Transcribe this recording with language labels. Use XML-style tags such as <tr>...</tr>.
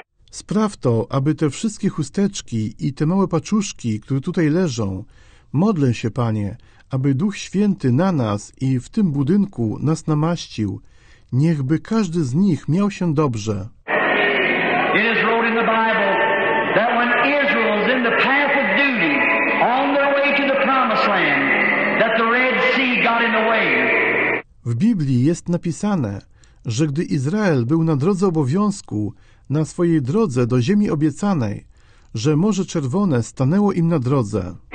<pl>Spraw to, aby te wszystkie chusteczki i te małe paczuszki, które tutaj leżą, modlę się, Panie, aby Duch Święty na nas i w tym budynku nas namaścił. Niechby każdy z nich miał się dobrze.</pl> <en>It is wrote in the Bible that when Israel is in the path of duty, on their way to the promised land, that the Red Sea got in the way.</en> <pl>W Biblii jest napisane, że gdy Izrael był na drodze obowiązku, na swojej drodze do ziemi obiecanej, że Morze Czerwone stanęło im na drodze.</pl>